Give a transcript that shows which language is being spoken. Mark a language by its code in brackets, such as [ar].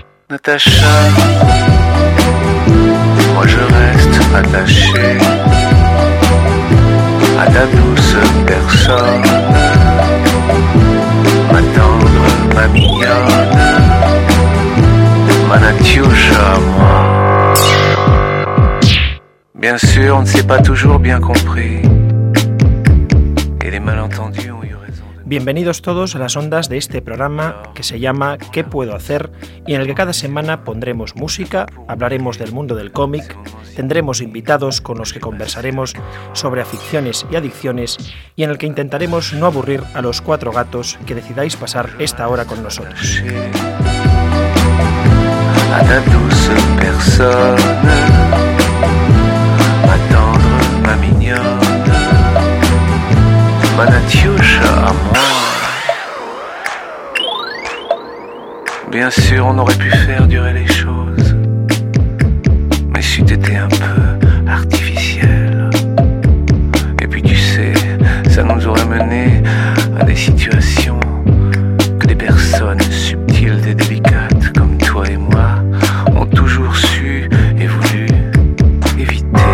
[fr] Natacha, moi je reste attaché à ta douce personne, ma tendre, ma mignonne, ma Natacha, moi. Bien sûr, on ne s'est pas toujours bien compris, et les malentendus ont eu raison. [es] Bienvenidos todos a las ondas de este programa que se llama ¿Qué puedo hacer? Y en el que cada semana pondremos música, hablaremos del mundo del cómic, tendremos invitados con los que conversaremos sobre aficiones y adicciones y en el que intentaremos no aburrir a los cuatro gatos que decidáis pasar esta hora con nosotros. [fr] A ta douce persona, ma tendre, ma mignonne, ma Natacha à moi. Bien sûr, on aurait pu faire durer les choses, mais si t'étais un peu artificiel, et puis tu sais, ça nous aurait mené à des situations que des personnes subtiles et délicates comme toi et moi ont toujours su et voulu éviter.